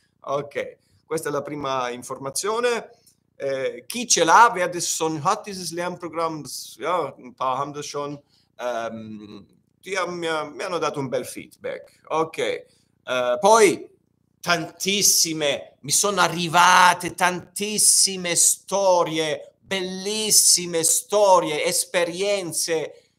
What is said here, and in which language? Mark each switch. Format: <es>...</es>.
<it>Ok, questa è la prima informazione. Chi ce l'ha,</it> <de>wer das schon hat, dieses Lernprogramm, ja, ein paar haben das schon,</de> <it>mi hanno dato un bel Feedback. Ok. Poi tantissime, mi sono arrivate tantissime storie, bellissime storie, esperienze,</it>